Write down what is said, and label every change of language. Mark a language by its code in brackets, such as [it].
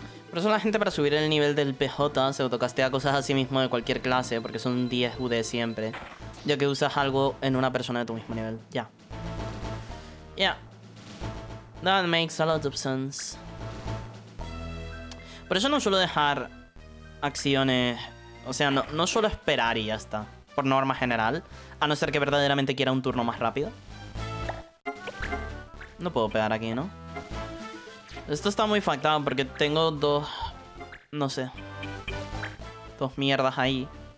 [es] Por eso la gente para subir el nivel del PJ se autocastea cosas a sí mismo de cualquier clase, porque son 10 UD siempre, ya que usas algo en una persona de tu mismo nivel. Ya. Yeah. [en] That makes a lot of sense. [es] Por eso no suelo dejar acciones, o sea, no suelo esperar y ya está, por norma general, a no ser que verdaderamente quiera un turno más rápido. No puedo pegar aquí, ¿no? Esto está muy factado porque tengo dos... no sé. Dos mierdas ahí.